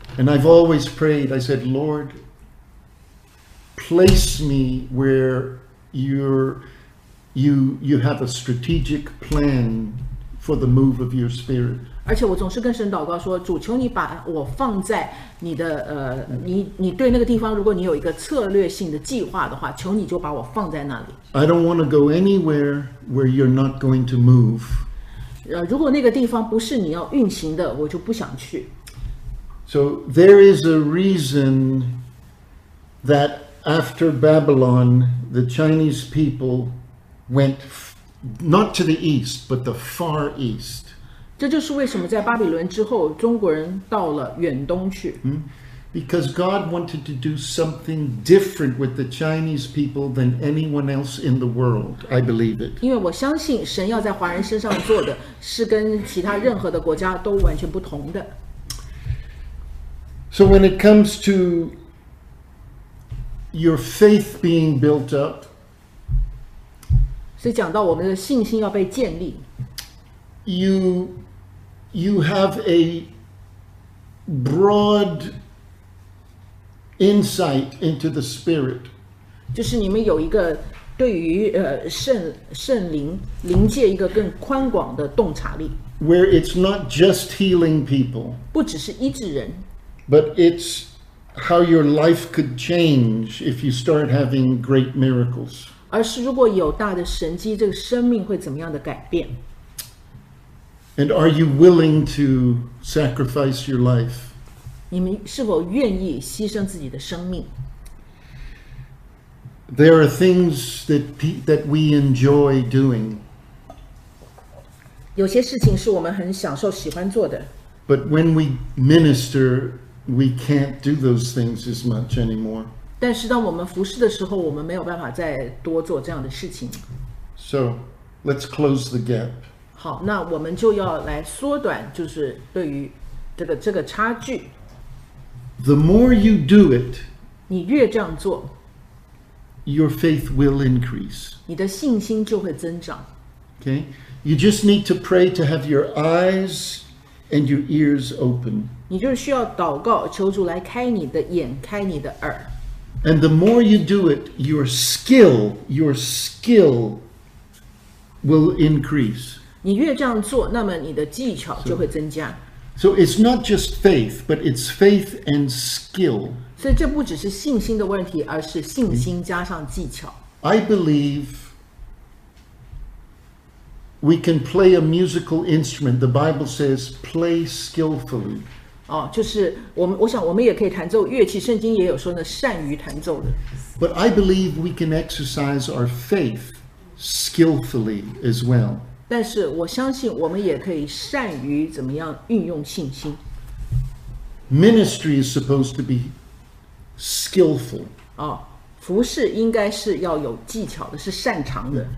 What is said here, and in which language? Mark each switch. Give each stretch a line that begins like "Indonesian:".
English: And I've always prayed, I said, Lord, place me where you have a strategic plan for the move of your spirit.
Chinese: 而且我总是跟神祷告说，主求你把我放在你的你对那个地方，如果你有一个策略性的计划的话，求你就把我放在那里。
English: I don't want to go anywhere where you're not going to move.
Chinese: 如果那个地方不是你要运行的，我就不想去。
English: So there is a reason that after Babylon, the Chinese people went not to the east, but the far east.
Chinese: 这就是为什么在巴比伦之后，中国人到了远东去。 Hmm?
English: Because God wanted to do something different with the Chinese people than anyone else in the world, I believe it.
Chinese: 因为我相信神要在华人身上做的是跟其他任何的国家都完全不同的。
English: So when it comes to your faith being built up,
Chinese: 所以讲到我们的信心要被建立，
English: you have a broad insight into the spirit.
Chinese: 就是你们有一个对于圣灵灵界一个更宽广的洞察力。
English: Where it's not just healing people.
Chinese: 不只是医治人。
English: But it's how your life could change if you start having great miracles.
Chinese: 而是如果有大的神迹，这个生命会怎么样的改变？
English: And are you willing to sacrifice your life?
Chinese: 你们是否愿意牺牲自己的生命？
English: There are things that we enjoy doing.
Chinese: 有些事情是我们很享受喜欢做的。
English: But when we minister,We can't do those things as much anymore.
Chinese: 但是当我们服侍的时候，我们没有办法再多做这样的事情。
English: So, let's close the gap.
Chinese: 好，那我们就要来缩短，就是对于这个差距。
English: The more you do it,
Chinese: 你越这样做，
English: your faith will increase.
Chinese: 你的信心就会增长。
English: Okay, you just need to pray to have your eyes and your ears open.
Chinese: 你就需要祷告，求主来开你的眼，开你的耳。
English: And the more you do it, your skill will increase.
Chinese: 你越这样做，那么你的技巧就会增加。
English: So it's not just faith, but it's faith and skill.
Chinese: 所以这不只是信心的问题，而是信心加上技巧。
English: I believe we can play a musical instrument. The Bible says, play skillfully.
Chinese: 就是我想我们也可以弹奏乐器，圣经也有说呢，善于弹奏的。
English: But I believe we can exercise our faith skillfully as well.
Chinese: 但是我相信我们也可以善于怎么样运用信心。
English: Ministry is supposed to be skillful.
Chinese: 服事应该是要有技巧的，是擅长的。